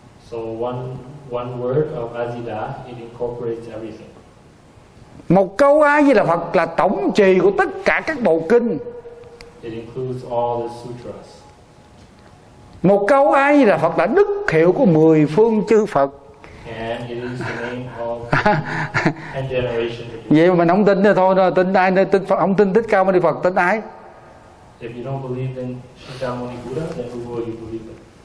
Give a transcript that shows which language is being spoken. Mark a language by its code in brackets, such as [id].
[en] So one word of Azida, it incorporates everything. [vi] Một câu A Di Đà Phật là tổng trì của tất cả các bộ kinh. [en] It includes all the sutras. [vi] Một câu A Di Đà Phật là đức hiệu của mười phương chư Phật. [en] And it is the name of and generation. [vi] Vậy mà mình không tin thì thôi, tin ai? Tin Phật, không tin Thích Ca Mâu Ni Phật, tin ai? [en] If you don't believe in Thích Ca Mâu Ni Buddha, then who will you believe in?